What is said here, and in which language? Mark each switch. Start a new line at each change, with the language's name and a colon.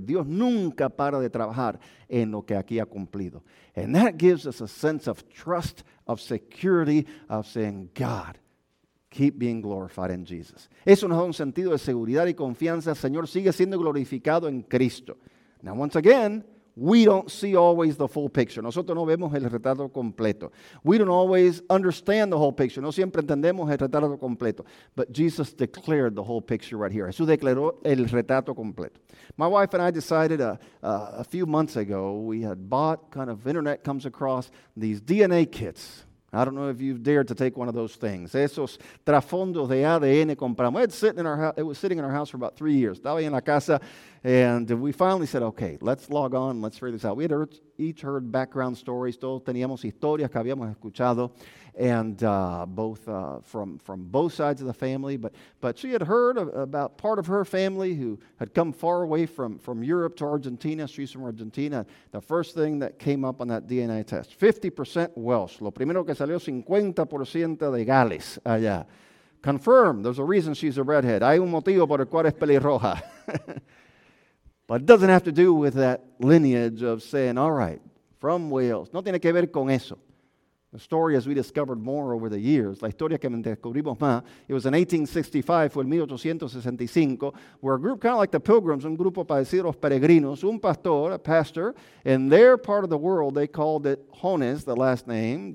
Spanish: Dios nunca para de trabajar en lo que aquí ha cumplido.
English: And that gives us a sense of trust, of security, of saying, God, keep being glorified in Jesus.
Spanish: Eso nos da un sentido de seguridad y confianza. Señor, sigue siendo glorificado en Cristo.
English: Now, once again, we don't see always the full picture.
Spanish: Nosotros no vemos el retrato completo.
English: We don't always understand the whole picture.
Spanish: No siempre entendemos el retrato completo.
English: But Jesus declared the whole picture right here.
Spanish: Jesús declaró el retrato completo.
English: My wife and I decided a few months ago, we had bought, kind of internet comes across, these DNA kits. I don't know if you've dared to take one of those things.
Spanish: Esos trasfondos de ADN compramos.
English: It was sitting in our house for about 3 years.
Spanish: Estaba en la casa,
English: and we finally said, okay, let's log on, let's figure this out. We had each heard background stories.
Spanish: Todos teníamos historias que habíamos escuchado,
English: and both from both sides of the family. But she had heard about part of her family who had come far away from Europe to Argentina. She's from Argentina. The first thing that came up on that DNA test, 50% Welsh.
Spanish: Lo primero que salió, 50% de Gales allá.
English: Confirmed, there's a reason she's a redhead.
Spanish: Hay un motivo por el cual es pelirroja.
English: But it doesn't have to do with that lineage of saying, all right, from Wales.
Spanish: No tiene que ver con eso.
English: The story, as we discovered more over the years,
Spanish: la historia que descubrimos más,
English: it was in 1865,
Spanish: fue en 1865,
English: where a group kind of like the Pilgrims,
Spanish: un grupo parecido a los peregrinos, un pastor,
English: a pastor, in their part of the world, they called it Jones, the last name.